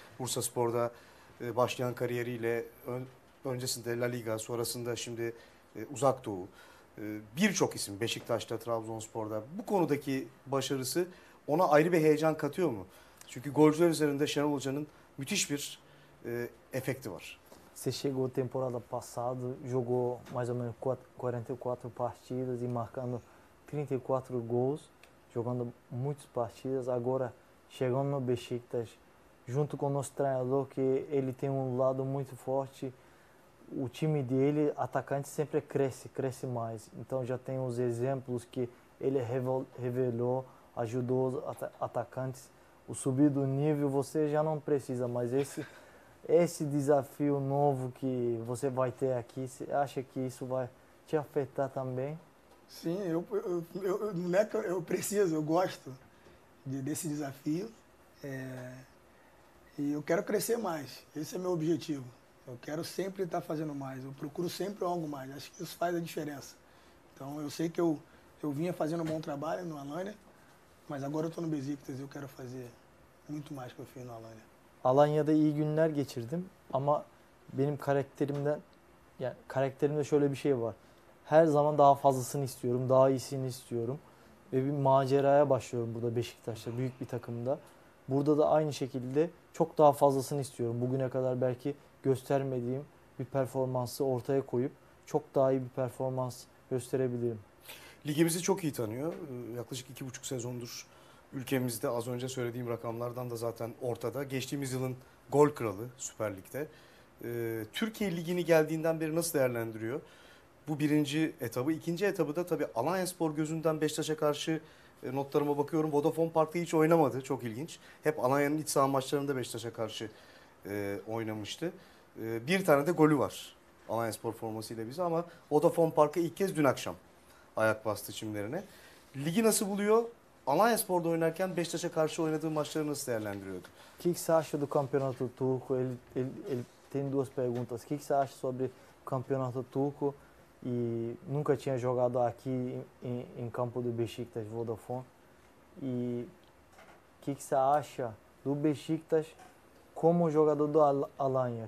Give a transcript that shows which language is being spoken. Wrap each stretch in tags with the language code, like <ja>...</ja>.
<tr>Bursa Spor'da başlayan kariyeriyle öncesinde La Liga, sonrasında şimdi Uzak Doğu. Birçok isim Beşiktaş'ta, Trabzonspor'da. Bu konudaki başarısı ona ayrı bir heyecan katıyor mu? Çünkü golcüler üzerinde Şenol Hoca'nın müthiş bir efekti var.</tr> <pt>Você chegou temporada passada, jogou mais ou menos 44 partidas e marcando 34 gols, jogando muitas partidas. Agora, chegando no Beşiktaş, junto com o nosso treinador, que ele tem um lado muito forte, o time dele, atacante, sempre cresce mais. Então, já tem os exemplos que ele revelou, ajudou os atacantes. O subir do nível, você já não precisa, mas esse desafio novo que você vai ter aqui, você acha que isso vai te afetar também? Sim, eu não é que eu preciso, eu gosto desse desafio. E eu quero crescer mais, esse é meu objetivo. Eu quero sempre estar fazendo mais, eu procuro sempre algo mais, acho que isso faz a diferença. Então eu sei que eu vinha fazendo um bom trabalho no Alanya, mas agora eu estou no Beşiktaş e eu quero fazer muito mais que eu fiz no Alanya.</pt> <tr>Alanya'da iyi günler geçirdim ama benim karakterimde şöyle bir şey var. Her zaman daha fazlasını istiyorum, daha iyisini istiyorum. Ve bir maceraya başlıyorum burada Beşiktaş'ta, büyük bir takımda. Burada da aynı şekilde çok daha fazlasını istiyorum. Bugüne kadar belki göstermediğim bir performansı ortaya koyup çok daha iyi bir performans gösterebilirim. Ligimizi çok iyi tanıyor. Yaklaşık 2,5 sezondur. Ülkemizde az önce söylediğim rakamlardan da zaten ortada. Geçtiğimiz yılın gol kralı Süper Lig'de. Türkiye Ligi'ni geldiğinden beri nasıl değerlendiriyor? Bu birinci etabı. İkinci etabı da tabii Alanyaspor gözünden Beşiktaş'a karşı notlarıma bakıyorum. Vodafone Park'ta hiç oynamadı. Çok ilginç. Hep Alanya'nın iç saha maçlarında Beşiktaş'a karşı oynamıştı. Bir tane de golü var Alanyaspor formasıyla bize ama Vodafone Park'a ilk kez dün akşam ayak bastı çimlerine. Ligi nasıl buluyor? Alanyaspor'da oynarken Beşiktaş'a karşı oynadığı maçları nasıl değerlendiriyordu?</tr> <pt>Que você acha do campeonato turco? Ele tem duas perguntas. Que você acha sobre o campeonato turco e nunca tinha jogado aqui em campo do Beşiktaş Vodafone? E que você acha do Beşiktaş como jogador do Alanya?</pt>